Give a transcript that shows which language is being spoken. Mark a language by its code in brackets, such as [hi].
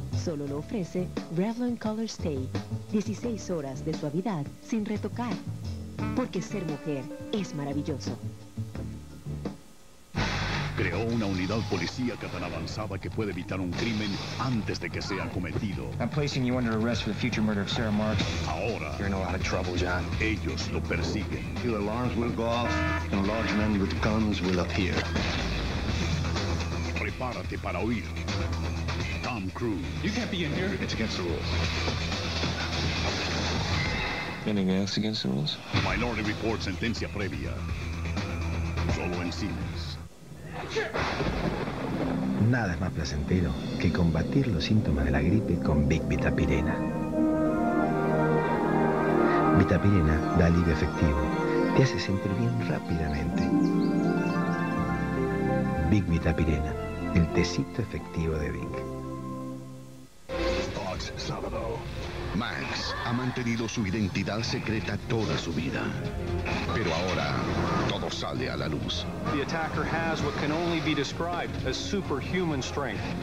[es] Solo lo ofrece Revlon Color Stay. 16 horas de suavidad sin retocar. Porque ser mujer es maravilloso. Creó una unidad policíaca tan avanzada que puede evitar un crimen antes de que sea cometido. [en] I'm placing you under arrest for the future murder of Sarah Marks. [es] Ahora, [en] you're in a lot of trouble, John. [es] Ellos lo persiguen. [en] Your alarms will go off and large men with guns will appear. [es] Prepárate para oír. Tom Cruise. [en] You can't be in here. It's against the rules. Anything else against the rules? [es] Minority Report, sentencia previa. Solo en cines. Nada es más placentero que combatir los síntomas de la gripe con Vic Vitapirena. Vitapirena da alivio efectivo. Te hace sentir bien rápidamente. Vic Vitapirena, el tecito efectivo de Vic. Fox Sábado. Max ha mantenido su identidad secreta toda su vida. Pero ahora todo sale a la luz. [en] The attacker has what can only be described as superhuman strength.